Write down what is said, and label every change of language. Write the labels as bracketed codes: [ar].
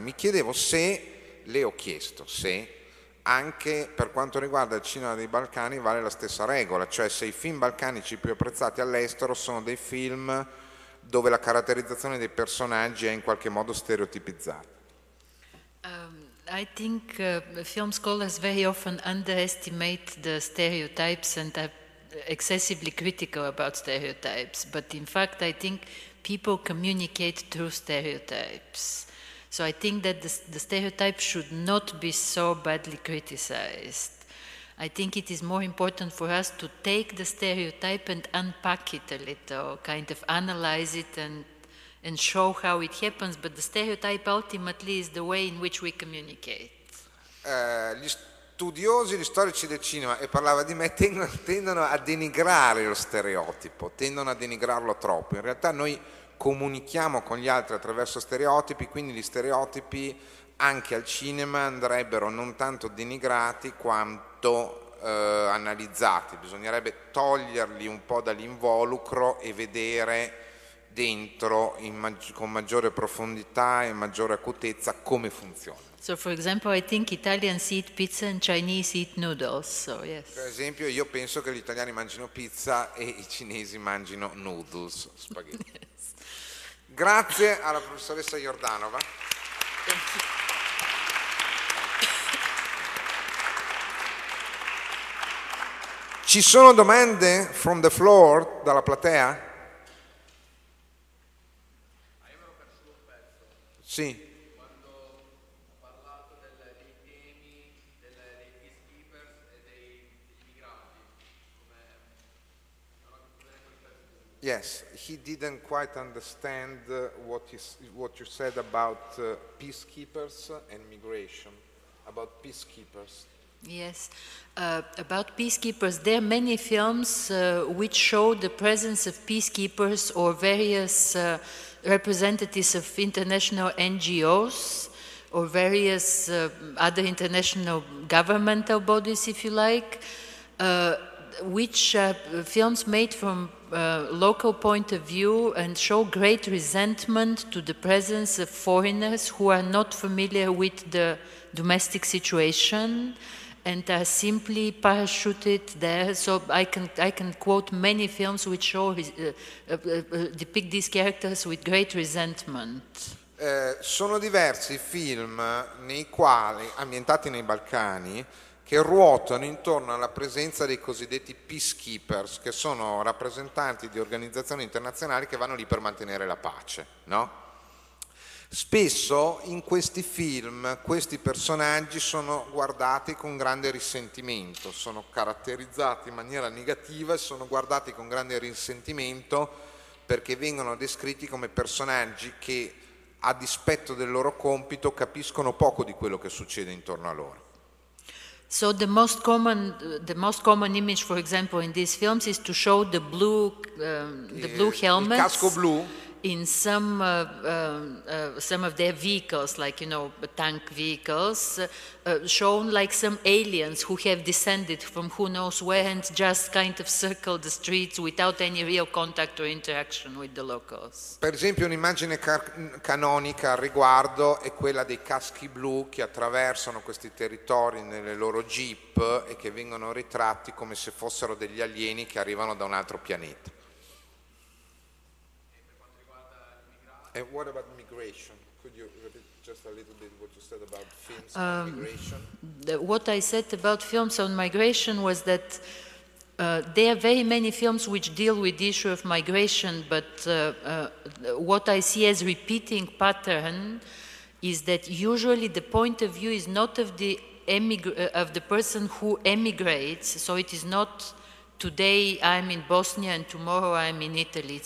[it] Mi chiedevo se, le ho chiesto, se anche per quanto riguarda il cinema dei Balcani vale la stessa regola, cioè se i film balcanici più apprezzati all'estero sono dei film dove la caratterizzazione dei personaggi è in qualche modo stereotipizzata. [en] I think film scholars very often underestimate the stereotypes and are excessively critical about stereotypes, but in fact I think people communicate through stereotypes. So I think that the stereotype should not be so badly criticized. I think it is more important for us to take the stereotype and unpack it a little, kind of analyze it and show how it happens. But the stereotype ultimately is the way in which we communicate. [it] Gli studiosi, gli storici del cinema, e parlava di me, tendono a denigrare lo stereotipo, tendono a denigrarlo troppo. In realtà noi comunichiamo con gli altri attraverso stereotipi, quindi gli stereotipi anche al cinema andrebbero non tanto denigrati quanto analizzati. Bisognerebbe toglierli un po' dall'involucro e vedere dentro con maggiore profondità e maggiore acutezza come funziona. [en] So for example I think Italians eat pizza and Chinese eat noodles, so yes. [it] Per esempio io penso che gli italiani mangino pizza e i cinesi mangino noodles, spaghetti. Grazie alla professoressa Iordanova. Ci sono domande [en] from the floor, [it] dalla platea? Io ero per suo pezzo. Sì. Quando ha parlato dei temi dei peacekeepers e dei migranti, come [en] yes. He didn't quite understand what you said about peacekeepers and migration, about peacekeepers. Yes, about peacekeepers. There are many films which show the presence of peacekeepers or various representatives of international NGOs or various other international governmental bodies, if you like, which films made from local point of view and show great resentment to the presence of foreigners who are not familiar with the domestic situation and are simply parachuted there. So I can quote many films which show depict these characters with great resentment. [it] Sono diversi film nei quali, ambientati nei Balcani, che ruotano intorno alla presenza dei cosiddetti peacekeepers, che sono rappresentanti di organizzazioni internazionali che vanno lì per mantenere la pace, no? Spesso in questi film questi personaggi sono guardati con grande risentimento, sono caratterizzati in maniera negativa e sono guardati con grande risentimento perché vengono descritti come personaggi che, a dispetto del loro compito, capiscono poco di quello che succede intorno a loro. [en] So the most common image, for example, in these films is to show the blue helmets, [it] il casco blu, [en] in some of their vehicles, like, you know, tank vehicles, shown like some aliens who have descended from who knows where and just kind of circled the streets without any real contact or interaction with the locals. [it] Per esempio, un'immagine canonica al riguardo è quella dei caschi blu che attraversano questi territori nelle loro jeep e che vengono ritratti come se fossero degli alieni che arrivano da un altro pianeta. [en] And what about migration? Could you repeat just a little bit what you said about films on migration? What I said about films on migration was that there are very many films which deal with the issue of migration, but what I see as repeating pattern is that usually the point of view is not of the of the person who emigrates, so it is not today I'm in Bosnia and tomorrow I'm in Italy.